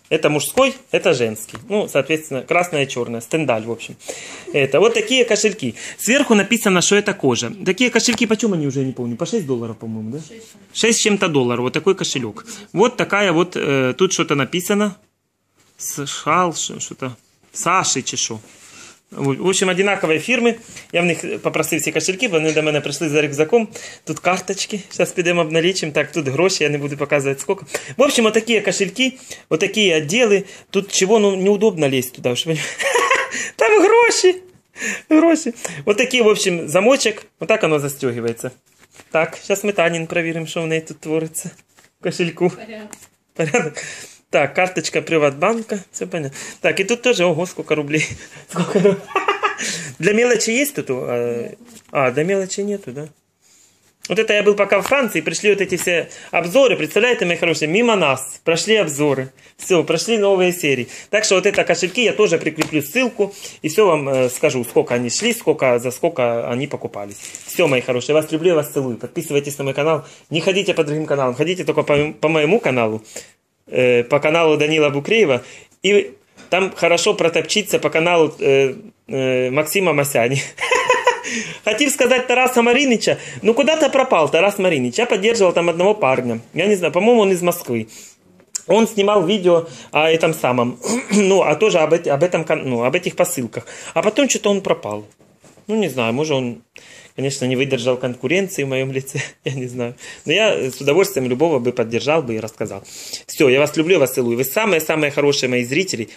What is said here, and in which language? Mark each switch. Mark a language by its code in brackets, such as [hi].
[ru] Это мужской, это женский. Ну, соответственно, красное и черное. Стендаль, в общем. Это вот такие кошельки. Сверху написано, что это кожа. Такие кошельки, почему они уже, я не помню, по 6 долларов, по-моему, да? 6 чем-то долларов, вот такой кошелек. Вот такая вот, тут что-то написано. Сшал, что-то. [uk] Саши чи що. В общем, одинакові фірми. Я в них попросив всі кошельки, вони до мене прийшли за рюкзаком. Тут карточки. Зараз підемо обналічим. Так, тут гроші, я не буду показувати скільки. В общем, отакі кошельки, отакі відділи. Тут чого, ну, неудобно лізти туди. Щоб... Там гроші. Гроші. Отакі, в общем, замочок. Отак воно застегивається. Так, зараз ми Танін провіримо, що в неї тут твориться. В кошельку. Порядок. [ru] Так, карточка Приватбанка, все понятно. [uk] Так, і тут теж, ого, скільки рублей. Скільки рублей. Для мелочі є тут? А, для мелочі нету, да? [ru] Вот это я был пока в Франции, пришли вот эти все обзоры, представляете, мои хорошие, мимо нас прошли обзоры, все, прошли новые серии. Так что вот это кошельки, я тоже прикреплю ссылку и все вам скажу, сколько они шли, сколько, за сколько они покупались. Все, мои хорошие, вас люблю, вас целую, подписывайтесь на мой канал, не ходите по другим каналам, ходите только по моему каналу, по каналу Данила Букреева, и там хорошо протопчиться по каналу Максима Масяни. [uk] Хотів сказати Тараса Маринича, ну куди-то пропав Тарас Маринич, я підтримував там одного парня, я не знаю, по-моєму, він із Москви. [ru] Он снимал видео о этом самом, ну, а тоже об этом, ну, об этих посылках. А потом что-то он пропал. Ну, не знаю, может он, конечно, не выдержал конкуренции в моем лице, я не знаю. Но я с удовольствием любого бы поддержал бы и рассказал. Все, я вас люблю, вас целую. Вы самые-самые хорошие мои зрители.